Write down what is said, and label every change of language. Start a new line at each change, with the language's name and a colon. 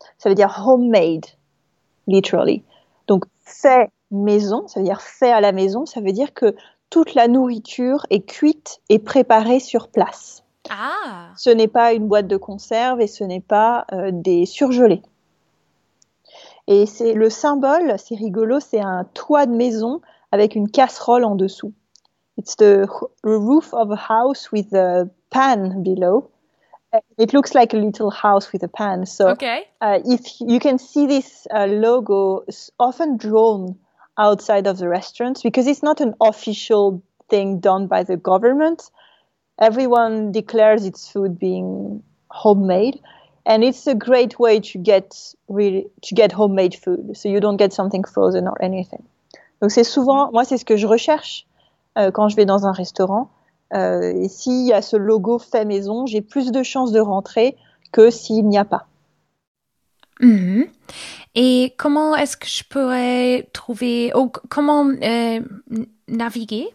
French: Ça veut dire
English: homemade, literally.
French: Donc fait maison, ça veut dire fait à la maison, ça veut dire que toute la nourriture est cuite et préparée sur place. Ah. Ce n'est pas une boîte de conserve et ce n'est pas des surgelés. Et c'est le symbole, c'est rigolo, c'est un toit de maison avec une casserole en dessous.
English: It's the roof of a house with a pan below. It looks like a little house with a pan. So if you can see this logo often drawn outside of the restaurants, because it's not an official thing done by the government. Everyone declares its food being homemade, and it's a great way to get really to get homemade food, so you don't get something frozen or anything.
French: Donc c'est souvent, moi c'est ce que je recherche quand je vais dans un restaurant. Et s'il y a ce logo fait maison, j'ai plus de chances de rentrer que s'il n'y a pas. Mm-hmm. Et comment est-ce que je pourrais trouver, ou comment naviguer,